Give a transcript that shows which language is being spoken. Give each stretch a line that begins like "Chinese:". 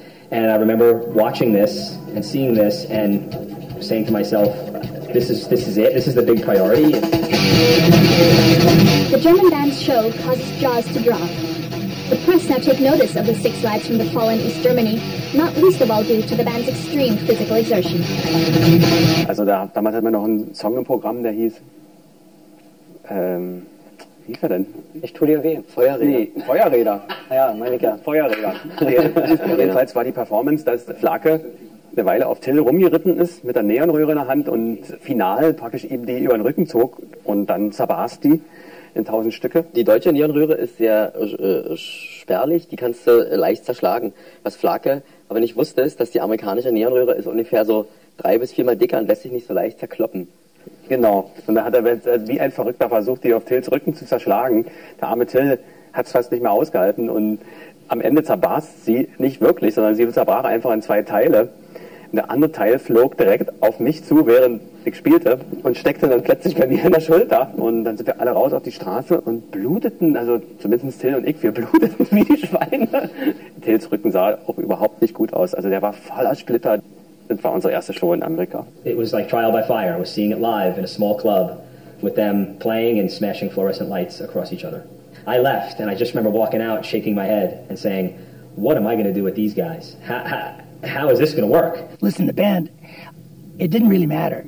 English: And I remember watching this and seeing this and saying to myself, this is it, this is the big priority. The German band's show caused jaws to drop. The press now take notice of the six lads from the fallen East Germany, not least of all due to the band's extreme physical exertion.
German: Also damals hatten wir noch einen Song im Programm, der hieß wie hieß er denn? Ich tue dir weh. Feuerräder. Nee, Feuerräder. Ja, meine ich ja. Feuerräder. Jedenfalls war die Performance, dass Flake eine Weile auf Till rumgeritten ist, mit der Neonröhre in der Hand und final praktisch eben die über den Rücken zog und dann zerbarst die in 1000 Stücke. Die deutsche Neonröhre ist sehr spärlich, die kannst du leicht zerschlagen. Was Flake aber nicht wusste, ist, dass die amerikanische Neonröhre ist ungefähr so 3 bis 4 Mal dicker und lässt sich nicht so leicht zerkloppen. Genau. Und da hat er wie ein Verrückter versucht, die auf Tills Rücken zu zerschlagen. Der arme Till hat es fast nicht mehr ausgehalten und am Ende zerbarst sie nicht wirklich, sondern sie zerbrach einfach in 2 Teile. Und der andere Teil flog direkt auf mich zu, während ich spielte und steckte dann plötzlich bei mir in der Schulter. Und dann sind wir alle raus auf die Straße und bluteten, also zumindest Till und ich, wir bluteten wie die Schweine. Tills Rücken sah auch überhaupt nicht gut aus. Also der war voller Splitter. Das war unsere erste Show in Amerika.
English: It was like trial by fire. I was seeing it live in a small club with them playing and smashing fluorescent lights across each other. I left and I just remember walking out, shaking my head and saying, what am I going to do with these guys? How is this going to work? Listen, the band, it didn't really matter.